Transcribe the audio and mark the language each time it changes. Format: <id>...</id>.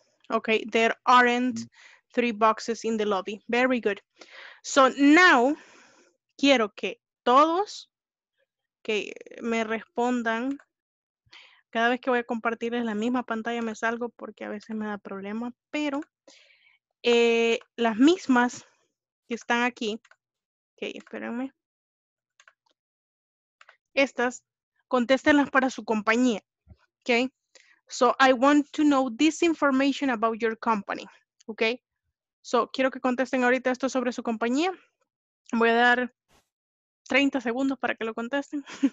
<en>Okay, there aren't three boxes in the lobby. Very good. So now,</en> <es>quiero que todos que me respondan. Cada vez que voy a compartirles la misma pantalla me salgo porque a veces me da problema, pero las mismas que están aquí, ok, espérenme, estas, contéstenlas para su compañía, ok.</es> <en>So I want to know this information about your company, ok.</en> <es>So quiero que contesten ahorita esto sobre su compañía. Voy a dar 30 segundos para que lo contesten.</es>